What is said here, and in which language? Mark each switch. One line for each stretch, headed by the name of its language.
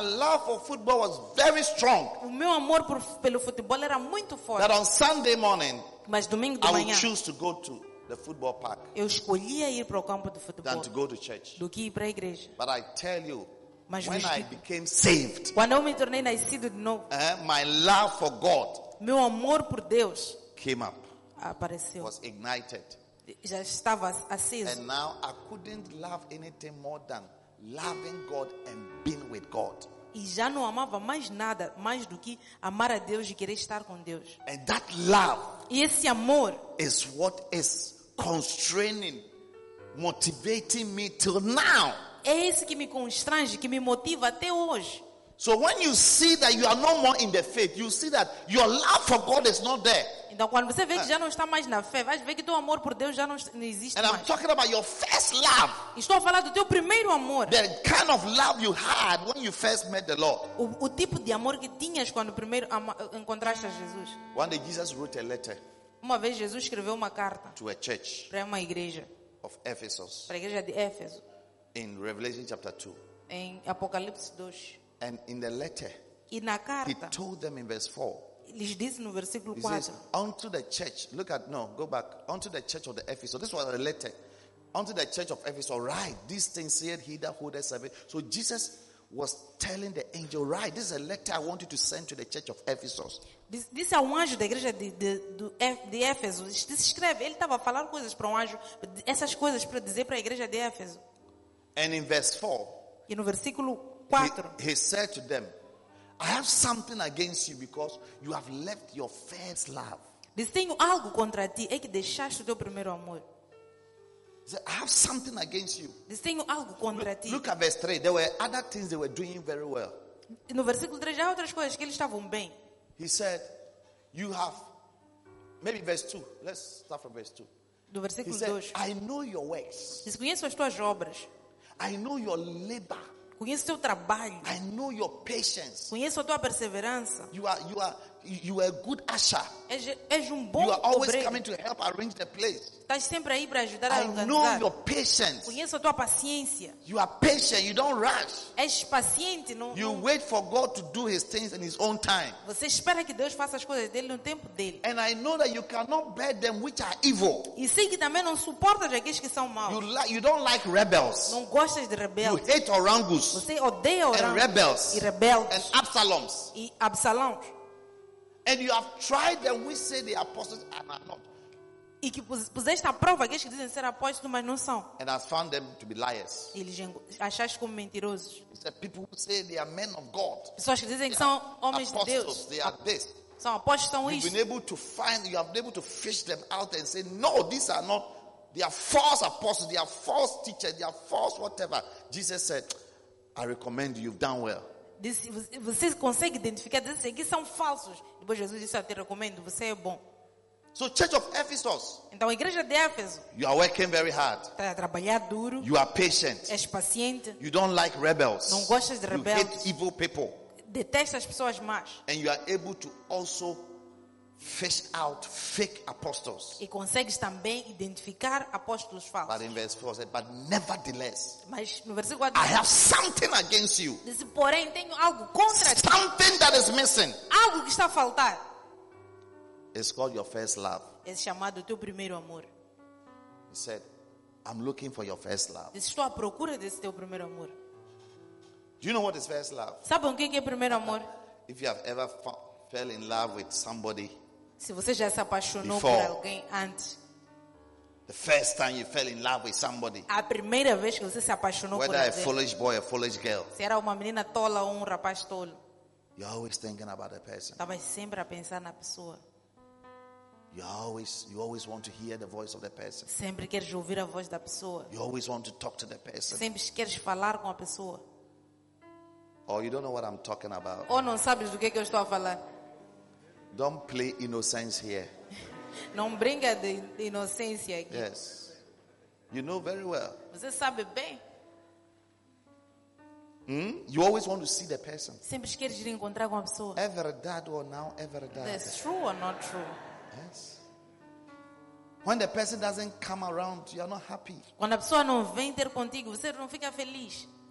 English: My love for football was very strong.
Portuguese: O meu amor pelo futebol era muito forte.
English: That on Sunday morning,
Portuguese: mas domingo de
English: I
Portuguese: manhã,
English: I would choose to go to the football park.
Portuguese: Eu escolhia ir para o campo de futebol.
English: Than to go to church.
Portuguese: Do que ir para a igreja.
English: But I tell you,
Portuguese: mas
English: when I became saved,
Portuguese: quando eu me tornei nascido de novo,
English: my love for God,
Portuguese: meu amor por Deus,
English: came up,
Portuguese: apareceu,
English: was ignited,
Portuguese: já estava aceso.
English: And now I couldn't love anything more than loving God and being with God.
Portuguese: E já não amava mais nada mais do que amar a Deus e querer estar com Deus.
English: And that love,
Portuguese: e esse amor,
English: is what is constraining, motivating me till now.
Portuguese: É isso que me constrange, que me motiva até hoje.
English: So when you see that you are no more in the faith, you see that your love for God is not there.
Portuguese: Então quando você vê que já não está mais na fé, vai ver que teu amor por Deus já não existe
English: and
Portuguese: mais.
English: And I'm talking about your first love.
Portuguese: Estou a falar do teu primeiro amor.
English: The kind of love you had when you first met the Lord.
Portuguese: O tipo de amor que tinhas quando primeiro encontraste a Jesus.
English: One day Jesus wrote a letter.
Portuguese: Uma vez Jesus escreveu uma carta.
English: To a church.
Portuguese: Para uma igreja.
English: Of Ephesus.
Portuguese: Para a igreja de Éfeso.
English: In Revelation chapter 2.
Portuguese: Em Apocalipse 2.
English: And in the letter.
Portuguese: E na carta.
English: He told them in verse 4.
Portuguese: Lhes disse no versículo 4.
English: He says, unto the church. Look at, no, go back. Unto the church of the Ephesus. This was a letter. Unto the church of Ephesus. Right. This thing said, he that holdeth seven. So Jesus was telling the angel, right. This is a letter I want you to send to the church of Ephesus.
Portuguese: Disse ao anjo da igreja de Éfeso. Disse, escreve. Ele estava falando coisas para um anjo. Essas coisas para dizer para a igreja de Éfeso.
English: And in verse 4,
Portuguese: e no versículo 4,
English: he said to them, I have something against you because you have left your first love.
Portuguese: Disse, tenho algo contra ti, é que deixaste o teu primeiro amor.
English: He said, I have something against you.
Portuguese: Disse, tenho algo contra ti.
English: Look at verse 3, there were other things they were doing very well.
Portuguese: E no versículo 3, já há outras coisas que eles estavam bem.
English: He said, you have, maybe verse 2, let's start from verse 2.
Portuguese: Do versículo 2.
English: He said, I know your works.
Portuguese: Disse, conheço as tuas obras.
English: I know your labor.
Portuguese: Conheço teu trabalho.
English: I know your patience.
Portuguese: Conheço a tua perseverança.
English: You are a good usher.
Portuguese: És um bom obreiro.
English: You are always
Portuguese: obreiro.
English: Coming to help arrange the place.
Portuguese: Estás sempre aí para ajudar
English: I
Portuguese: a organizar.
English: I know your patience.
Portuguese: Conheço a tua paciência.
English: You are patient. You don't rush.
Portuguese: És paciente, não.
English: You wait for God to do His things in His own time.
Portuguese: Você espera que Deus faça as coisas dele no tempo dele.
English: And I know that you cannot bear them which are evil.
Portuguese: E sei que também não suportas aqueles que são maus.
English: You don't like rebels.
Portuguese: Não gostas de rebeldes.
English: You hate orangus.
Portuguese: Você odeia orangus.
English: And rebels.
Portuguese: E rebeldes.
English: And Absaloms.
Portuguese: E Absalões.
English: And you have tried them, we say the apostles are not.
Portuguese: E que puseste à prova aqueles que dizem ser apóstolos, mas não são.
English: And has found them to be liars.
Portuguese: Eles achaste como mentirosos.
English: It's the people who say they are men of God.
Portuguese: Pessoas que dizem que são homens
English: apostles,
Portuguese: de Deus.
English: Apostles, they are this.
Portuguese: São apóstolos, são isso.
English: You have been able to fish them out and say, no, these are not. They are false apostles. They are false teachers. They are false whatever. Jesus said, I recommend you. You've done well.
Portuguese: Você consegue identificar dizer que são falsos. Depois Jesus disse, eu te recomendo, você é bom.
English: So church of Ephesus.
Portuguese: Então a igreja de Éfeso.
English: You are working very hard.
Portuguese: Tá a trabalhar duro.
English: You are patient.
Portuguese: És paciente.
English: You don't like rebels.
Portuguese: Não gostas de rebeldes.
English: You hate evil people.
Portuguese: Detestas as pessoas más.
English: And you are able to also fish out fake apostles.
Portuguese: E consegues também identificar apóstolos falsos.
English: But in verse 4 said, but nevertheless.
Portuguese: Mas no versículo 4,
English: I have something against you.
Portuguese: Disse, porém, tenho algo contra ti.
English: Something that is missing.
Portuguese: Algo que está a faltar.
English: It's called your first love.
Portuguese: é chamado teu primeiro amor.
English: He said, I'm looking for your first love.
Portuguese: Estou à procura desse teu primeiro amor.
English: Do you know what is first love?
Portuguese: Sabe o que é primeiro amor?
English: If you have ever fell in love with somebody,
Portuguese: se você já se apaixonou por alguém antes,
English: the first time you fell in love with somebody,
Portuguese: a primeira vez que você se apaixonou por alguém,
English: whether a foolish boy or foolish girl,
Portuguese: se era uma menina tola ou um rapaz tolo,
English: you're always thinking about the person.
Portuguese: Estava sempre a pensar na pessoa.
English: You always want to hear the voice of the person.
Portuguese: Sempre queres ouvir a voz da pessoa.
English: You always want to talk to the person.
Portuguese: Sempre queres falar com a pessoa.
English: Or you don't know what I'm talking about.
Portuguese: Ou não sabes do que eu estou a falar.
English: Don't play innocence here.
Portuguese: Não brinca de inocência aqui.
English: Yes. You know very well.
Portuguese: Você sabe bem.
English: You always want to see the person.
Portuguese: Sempre queres ir encontrar com a pessoa.
English: Ever that or now ever that. That's true or not true? Yes. When the person doesn't come around, you are not happy.
Portuguese: Quando a pessoa não vem ter contigo, você não fica feliz.